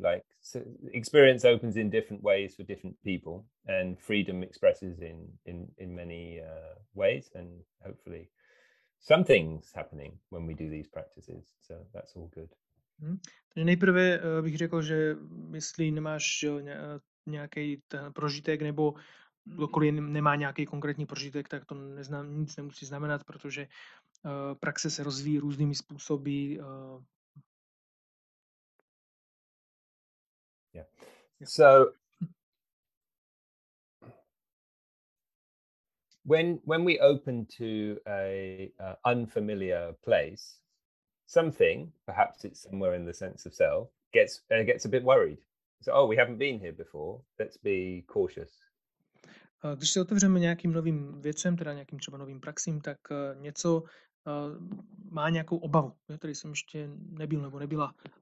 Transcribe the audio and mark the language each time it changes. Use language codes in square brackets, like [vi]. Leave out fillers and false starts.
[en] Like, so experience opens in different ways for different people, and freedom expresses in many ways, and hopefully something's happening when we do these practices, so that's all good. [cs] Takže nejprve bych řekl, že jestli nemáš nějaký prožitek, nebo kdokoliv nemá nějaký konkrétní prožitek, tak to nic nemusí znamenat, protože praxe se rozvíjí různými způsoby. [en] So when we open to a unfamiliar place, something, perhaps it's somewhere in the sense of self, gets a bit worried. So, oh, we haven't been here before. Let's be cautious. [cs] Když se otevřeme nějakým novým věcem, teda nějakým třeba novým praxím, tak něco má nějakou obavu. Já tady jsem ještě nebyl nebo nebyla.